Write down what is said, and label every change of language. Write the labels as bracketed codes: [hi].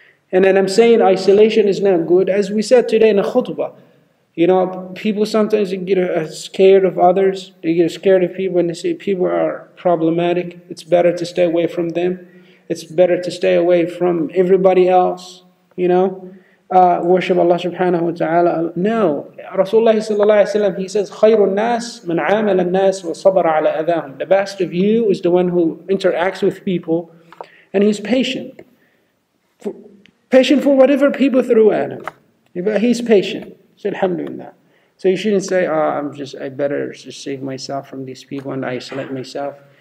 [en] And then I'm saying isolation is not good. As we said today in the khutbah, you know, people sometimes get scared of others. They get scared of people and they say people are problematic. It's better to stay away from them. It's better to stay away from everybody else, you know. worship Allah subhanahu wa ta'ala. No. [ar] Rasulullah sallallahu alayhi wa sallam, he says, خَيْرُ النَّاسِ مَنْ عَامَلَ النَّاسِ وَصَبَرَ عَلَىٰ أَذَاهُمْ. [en] The best of you is the one who interacts with people and he's patient. Patient for whatever people throw at him. But he's patient. So alhamdulillah. So you shouldn't say, I better just save myself from these people and isolate myself.